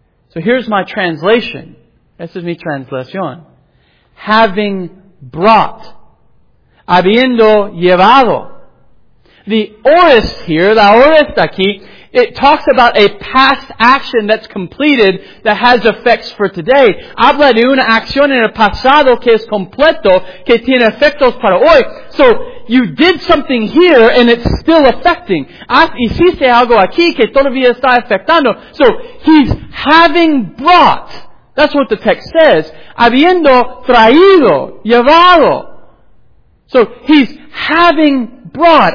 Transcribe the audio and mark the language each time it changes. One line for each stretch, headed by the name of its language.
English: So here's my translation. This is mi translación. Having brought.
Spanish: Habiendo llevado.
English: The aorist here, the aorist aquí, it talks about a past action that's completed that has effects for today.
Spanish: Habla de una acción en el pasado que es completo, que tiene efectos para hoy.
English: So, you did something here and it's still affecting.
Spanish: Hiciste algo aquí que todavía está afectando.
English: So, he's having brought. That's what the text says.
Spanish: Habiendo traído, llevado.
English: So, he's having brought.